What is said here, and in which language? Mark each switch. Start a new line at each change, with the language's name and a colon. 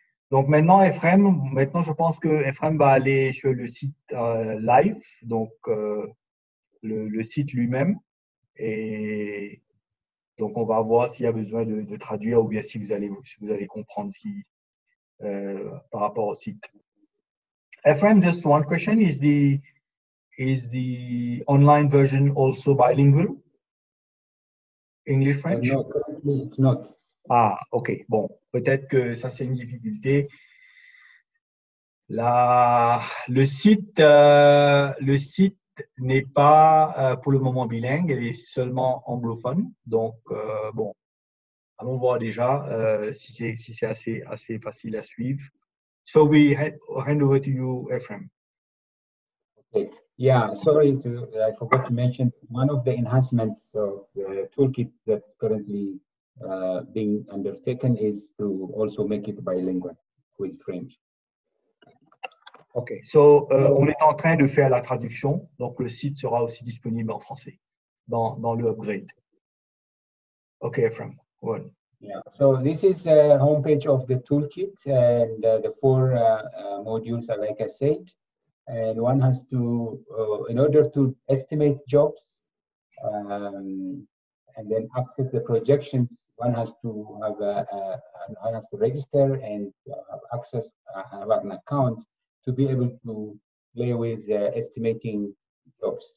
French: Donc maintenant je pense que Ephrem va aller sur le site live, donc le site lui-même, et donc on va voir s'il y a besoin de traduire ou bien si vous allez comprendre par rapport au site.
English: Ephrem, just one question: is the online version also bilingual? English, French? No, currently it's not. Ah, okay.
French: Bon, peut-être que ça c'est une difficulté. Le site n'est pas pour le moment bilingue. Il est seulement anglophone. Donc bon, allons voir déjà si c'est assez facile à suivre.
English: So we hand over to you, Ephrem. Okay. Yeah, sorry, I forgot to mention one of the enhancements of the toolkit that's currently being undertaken is to also make it bilingual with French.
French: Okay, so on est en train de faire la traduction, donc le site sera aussi disponible en français dans le upgrade.
English: Okay, Ephrem, go on. Yeah, so this is the homepage of the toolkit, and the 4 modules are like I said. And one has to, in order to estimate jobs and then access the projections, one has to have one has to register and have access, have an account to be able to play with estimating jobs.